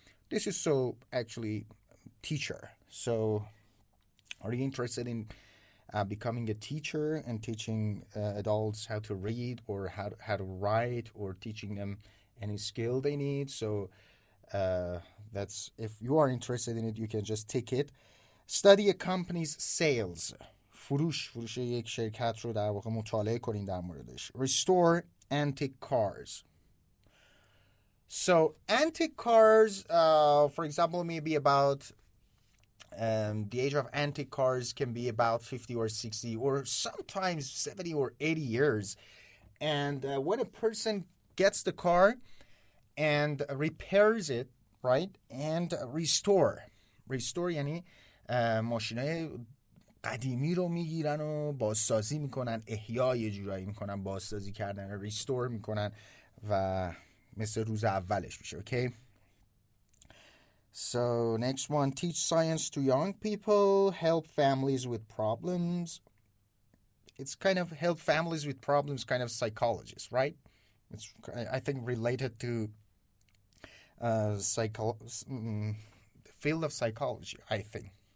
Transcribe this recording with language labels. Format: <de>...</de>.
<en>This is so actually teacher. So are you interested in becoming a teacher and teaching adults how to read or how to write or teaching them any skill they need? So that's, if you are interested in it, you can just take it. Study a company's sales.</en> <fa>فروش یک شرکت رو در واقع مطالعه کنین در موردش.</fa> <en>Restore antique cars. So antique cars, for example, maybe about the age of antique cars can be about 50 or 60 or sometimes 70 or 80 years. And when a person gets the car and repairs it, right, and restore</en> <fa>یعنی ماشینای قدیمی رو میگیرن و بازسازی میکنن، احیا یه جورایی میکنن، بازسازی کردن، restore میکنن و مثل روز اولش میشه.</fa> <en>Okay, so next one, teach science to young people, help families with problems. It's kind of help families with problems, kind of psychologist, right? It's, I think, related to field of psychology, I think.</en>